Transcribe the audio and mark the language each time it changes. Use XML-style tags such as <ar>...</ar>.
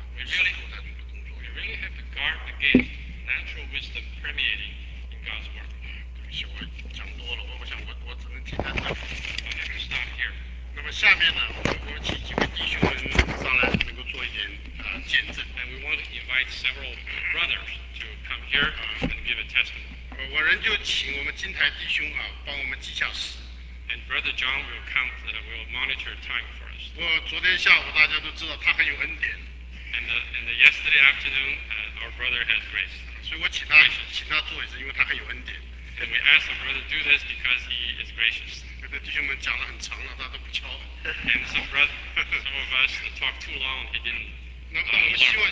<zh>非常的防备天然的智慧，啊，</zh> <en>we really have to guard against natural wisdom permeating in God's word.</en> <zh>对不起，我讲多了，我想我只能停在这。</zh> <en>I have to stop here.</en> <zh>那么下面呢，我请几位弟兄们上来能够做一点见证。</zh> <en>And we want to invite several brothers to come here and give a testimony.</en> <zh>我仍旧请我们金台弟兄啊，帮我们记下时。</zh> <en>And Brother John will count, will monitor time for us.</en> <zh>我昨天下午大家都知道他很有恩典。</zh> <en>And yesterday afternoon, our brother has grace.</en> <zh>所以我请他做一次，因为他很有恩典。</zh> <en>And we ask our brother to do this because he is gracious.</en> <zh>有的弟兄们讲得很长了，他都不敲。</zh> <en>And some of us talk too long, he didn't.</en>